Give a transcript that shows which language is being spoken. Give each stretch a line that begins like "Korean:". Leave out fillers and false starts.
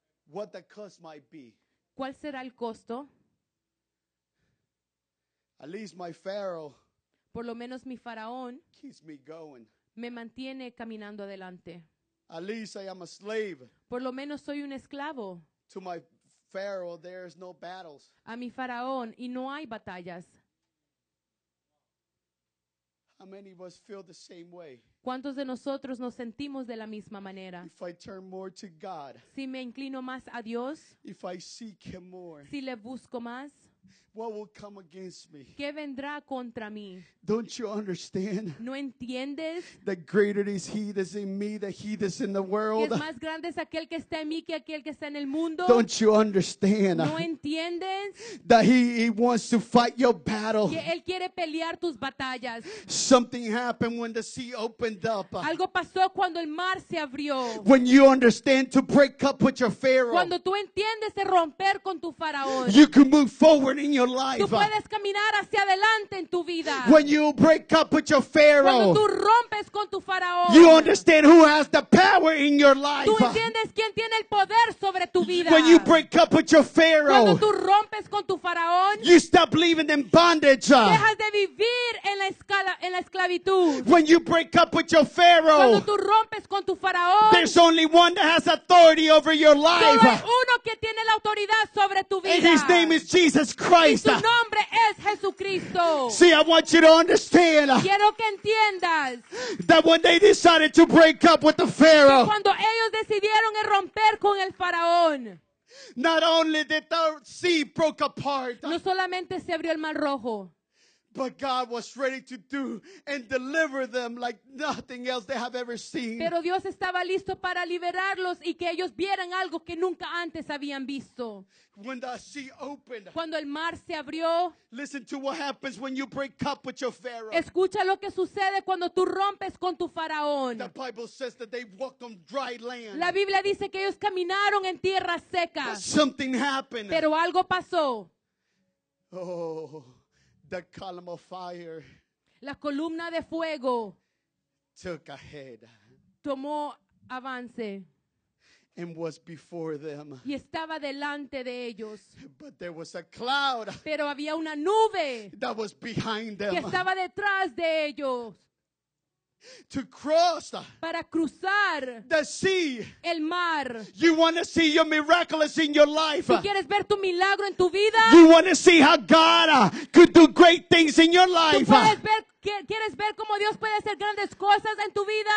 English: What the cost might be?
Spanish: ¿Cuál será el costo?
English: At least my Pharaoh,
Spanish: por lo menos mi faraón,
English: keeps me going.
Spanish: Me mantiene caminando adelante.
English: At least I am a slave.
Spanish: Por lo menos soy un esclavo.
English: To my Pharaoh, there is no battles.
Spanish: A mi faraón y no hay batallas.
English: How many of us feel the same way?
Spanish: ¿Cuántos de nosotros nos sentimos de la misma manera?
English: If I turn more to God,
Spanish: si me inclino más a Dios,
English: if I seek him more,
Spanish: si le busco más.
English: What will come against me?
Spanish: ¿Qué vendrá contra mí?
English: Don't you understand?
Spanish: ¿No entiendes?
English: That greater is he that's in me than he that's in the world.
Spanish: ¿Es más grande es aquel que está en mí que aquel que está en el mundo?
English: Don't you understand?
Spanish: ¿No entiendes?
English: That he wants to fight your battle.
Spanish: Que él quiere pelear tus batallas.
English: Something happened when the sea opened up.
Spanish: Algo pasó cuando el mar se abrió.
English: When you understand to break up with your Pharaoh.
Spanish: Cuando tú entiendes de romper con tu faraón.
English: You can move forward. In your life.
Spanish: Tú puedes caminar hacia adelante en tu vida.
English: When you break up with your Pharaoh,
Spanish: cuando tú rompes con tu faraón,
English: you understand who has the power in your life.
Spanish: Tú entiendes quién tiene el poder sobre tu vida.
English: When you break up with your Pharaoh,
Spanish: cuando tú rompes con tu faraón,
English: you stop living in bondage.
Spanish: Dejas de vivir en la esclavitud.
English: When you break up with your Pharaoh,
Spanish: cuando tú rompes con tu faraón,
English: there's only one that has authority over your life.
Spanish: Solo hay uno que tiene la autoridad sobre tu vida.
English: And his name is Jesus. Christ.
Spanish: Y su nombre es Jesucristo.
English: See, I want you to understand.
Spanish: Quiero que entiendas.
English: That when they decided to break up with the Pharaoh.
Spanish: Que cuando ellos decidieron romper con el faraón.
English: Not only did the sea broke apart.
Spanish: No solamente se abrió el mar rojo.
English: But God was ready to do and deliver them like nothing else they have ever seen.
Spanish: Pero Dios estaba listo para liberarlos y que ellos vieran algo que nunca antes habían visto.
English: When the sea opened.
Spanish: Cuando el mar se abrió.
English: Listen to what happens when you break up with your Pharaoh.
Spanish: Escucha lo que sucede cuando tú rompes con tu faraón.
English: The Bible says that they walked on dry land.
Spanish: La Biblia dice que ellos caminaron en tierra seca.
English: But something happened.
Spanish: Pero algo pasó.
English: Oh. The column of fire.
Spanish: La columna de fuego.
English: Took a head.
Spanish: Tomó avance.
English: and was before them.
Spanish: Y estaba delante de ellos.
English: But there was a cloud.
Spanish: Pero había una nube.
English: That was behind them.
Spanish: Que estaba detrás de ellos.
English: To cross
Spanish: para cruzar
English: the sea,
Spanish: el mar.
English: You want to see your miraculous in your life.
Spanish: ¿Tú quieres ver tu milagro en tu vida?
English: You want to see how God could do great things in your life.
Spanish: ¿Tú quieres ver cómo Dios puede hacer grandes cosas en tu vida?